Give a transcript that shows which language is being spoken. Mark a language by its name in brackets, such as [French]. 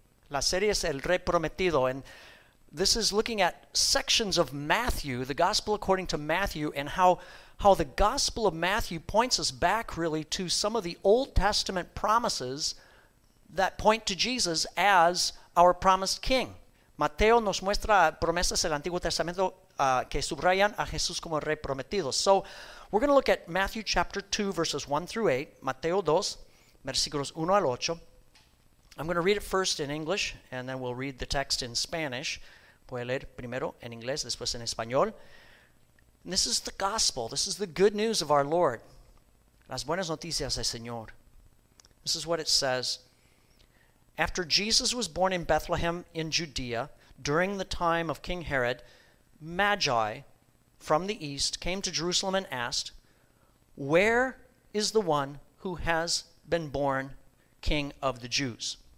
[Spanish] La serie es El Rey Prometido. [English] And this is looking at sections of Matthew, the gospel according to Matthew, and how the gospel of Matthew points us back really to some of the Old Testament promises that point to Jesus as our promised king. [Spanish] Mateo nos muestra promesas del Antiguo Testamento que subrayan a Jesús como el rey prometido. [English] So, we're going to look at Matthew chapter 2, verses 1 through 8. [Spanish] Mateo 2, versículos 1 al 8. [English] I'm going to read it first in English, and then we'll read the text in Spanish. [Spanish] Voy a leer primero en inglés, después en español. [English] And this is the gospel. This is the good news of our Lord. [Spanish] Las buenas noticias del Señor. [English] This is what it says. After Jesus was born in Bethlehem in Judea, during the time of King Herod, Magi from the east came to Jerusalem and asked, "Where is the one who has been born King of the Jews?